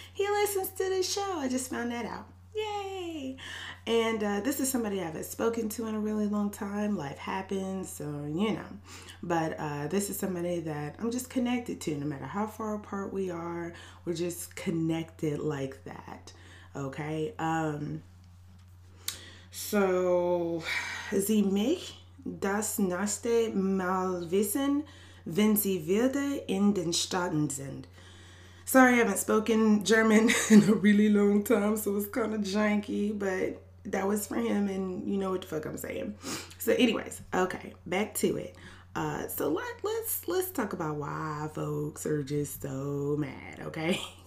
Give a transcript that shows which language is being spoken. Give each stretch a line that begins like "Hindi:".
English: He listens to the show. I just found that out. Yay! And this is somebody I haven't spoken to in a really long time. Life happens, so you know. But this is somebody that I'm just connected to. No matter how far apart we are, we're just connected like that. Okay?
German: So, sie mich das nächste Mal wissen, wenn sie wieder in den Staaten sind.
English: Sorry, I haven't spoken German in a really long time, so it's kind of janky, but that was for him, and you know what the fuck I'm saying. So anyways, okay, back to it. So let's talk about why folks are just so mad, okay?